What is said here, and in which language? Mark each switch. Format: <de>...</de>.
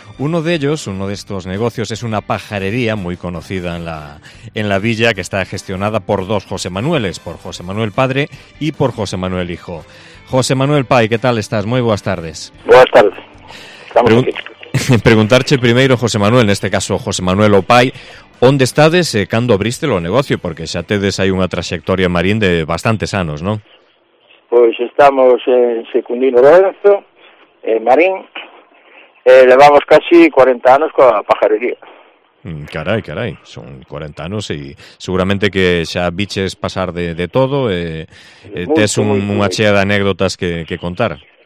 <es>Uno de ellos, uno de estos negocios, es una pajarería muy conocida en la villa, que está gestionada por dos José Manueles, por José Manuel padre y por José Manuel hijo. José Manuel Pai, ¿qué tal estás? Muy buenas tardes. Buenas tardes. Estamos aquí.</es> <gl>Preguntarte primero, José Manuel, en este caso José Manuel Opai, ¿dónde estades cando abriste lo negocio? Porque xa tedes aí unha traxectoria en Marín de bastantes anos, non? Pois estamos en Secundino Lorenzo, en Marín. Levamos casi 40 anos coa pajarería. Carai, son 40 anos e seguramente que xa biches pasar de todo e tes unha chea de anécdotas que contar.</gl>